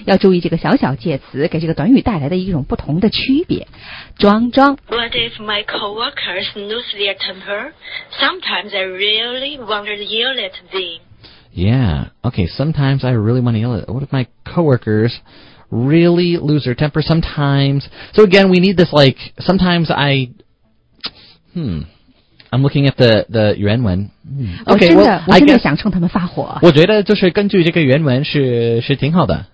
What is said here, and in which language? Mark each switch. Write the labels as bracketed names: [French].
[Chinese] 要注意这个小小介词给这个短语带来的一种不同的区别。 [English] What if my coworkers lose their temper? Sometimes I really want to yell at them. Yeah, okay, sometimes I really want to yell at them. What if my coworkers... really lose their temper sometimes. So again, we need this like, sometimes I, I'm looking at the 原文、Okay, [Chinese] 我真的想冲他们发火。我觉得就是根据这个原文是挺好的。